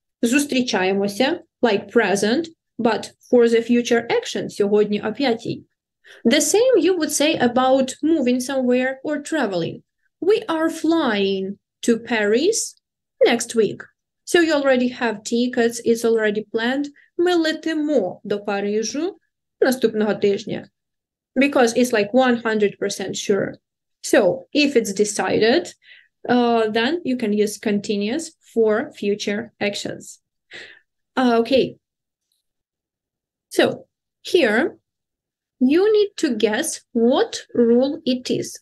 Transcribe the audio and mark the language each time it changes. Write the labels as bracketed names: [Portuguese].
[Ukrainian] Зустрічаємося, [English] like present, but for the future action, [Ukrainian] сьогодні о 5-й. [English] The same you would say about moving somewhere or traveling. We are flying to Paris next week. So you already have tickets, it's already planned. [Ukrainian] Ми летимо до Парижу наступного тижня. [English] Because it's like 100% sure. So if it's decided, then you can use continuous for future actions. Okay. So here you need to guess what rule it is.